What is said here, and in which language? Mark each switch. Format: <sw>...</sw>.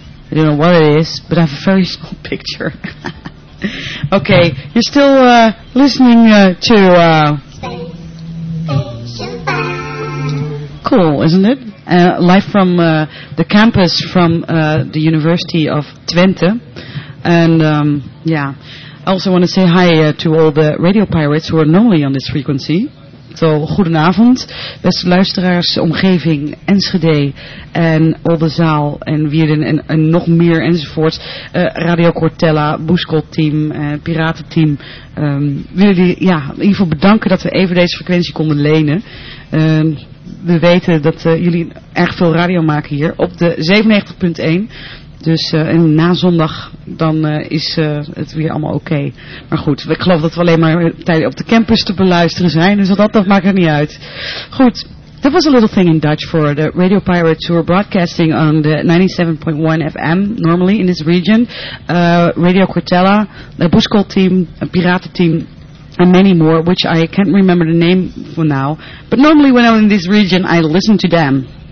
<en>I don't know what it is, but I have a very small picture. Okay, you're still listening to... Cool, isn't it? Live from the campus from the University of Twente. And, I also want to say hi to all the radio pirates who are normally on this frequency.</en> <nl>So, goedenavond, beste luisteraars, omgeving, Enschede en Oldenzaal en Wierden en nog meer enzovoorts. Radio Cortella, Boeskot-team, Piratenteam. Willen jullie in ieder geval bedanken dat we even deze frequentie konden lenen. We weten dat jullie erg veel radio maken hier op de 97.1. Dus en na zondag dan is het weer allemaal oké. Maar goed, ik geloof dat we alleen maar tijdens op de campus te beluisteren zijn. Dus dat maakt er niet uit.</nl> <en>Goed, that was a little thing in Dutch for the Radio Pirates who are broadcasting on the 97.1 FM normally in this region. Radio Cortella, the Boeskot team, a Piraten team. And many more, which I can't remember the name for now. But normally when I'm in this region, I listen to them.</en>